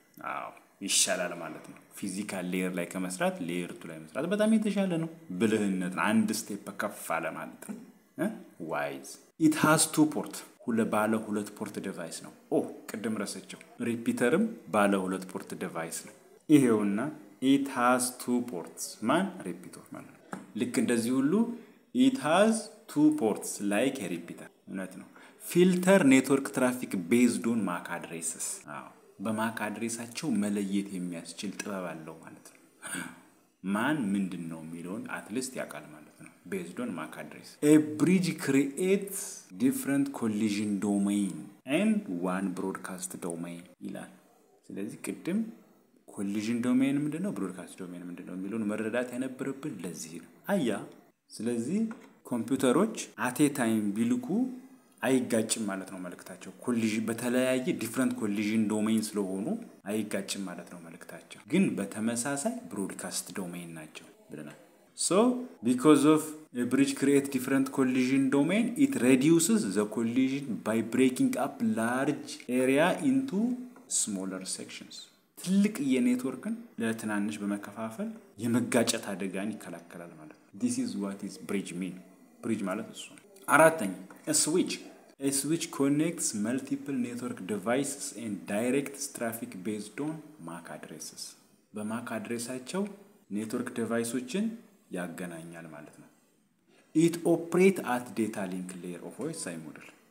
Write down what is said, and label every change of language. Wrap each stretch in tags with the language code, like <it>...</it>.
<am>Wow, ይሻላል ማለት ነው። physical layer ላይ ከመስራት layer 2 ላይ መስራት በጣም የተሻለ ነው። ብልህነት አንድ ስቴፕ ከፍ አለ ማለት ነው።</am> <en>Wise. It has two ports.</en> <am>ባለ ሁለት ፖርት ዲቫይስ ነው። ኦ ቅድም ረሰቸው። ሪፒተርም ባለ ሁለት ፖርት ዲቫይስ ነው። ይሄውና</am> <en>it has two ports.</en> <am>ማን ሪፒተር ማለት ነው። ልክ እንደዚህ ሁሉ</am> <en>it has two ports like a repeater.</en> <am>እውነት ነው።</am> <en>filter network traffic based on mac addresses.</en> <am>አዎ በmac addresssቸው መለየት የሚያስችል ጥበብ አለው ማለት ነው። ማን ምንድነው የሚለውን at least ያቃል ማለት ነው</am> <en>based on mac address. a bridge creates different collision domain and one broadcast domain</en> <am>ይላል። ስለዚህ ቅድም collision domain ምንድነው broadcast domain ምንድነው የሚለውን መረዳት የነበረብን ለዚህ ነው። አያ ስለዚህ ኮምፒውተሮች አቴ ታይም ቢልኩ አይጋጭም ማለት ነው መልእክታቸው። ኮሊዥን በተለያየ ዲፈረንት ኮሊዥን ዶሜን ስለሆኑ አይጋጭም ማለት ነው መልእክታቸው። ግን በተመሳሳይ ብሮድካስት ዶሜን ናቸው ብለናል።</am> <en>ሶ ቢኮዝ ኦፍ a bridge create different collision domain it reduces the collision by breaking up large area into smaller sections.</en> <am>ትልቅ የኔትወርክን ለትናንሽ በመከፋፈል የመጋጨት አደጋን ይከላከላል ማለት ነው።</am> <en>This is what is bridge mean.</en> <am>Bridge ማለት እሱ ነው። አራተኛ switch.</am> <en>A switch connects multiple network devices and directs traffic based on MAC addresses.</en> <am>በMAC አድሬሳቸው network devices-ዎችን ያገናኛል ማለት ነው።</am> <en>It operates at data link layer of OSI model.</en>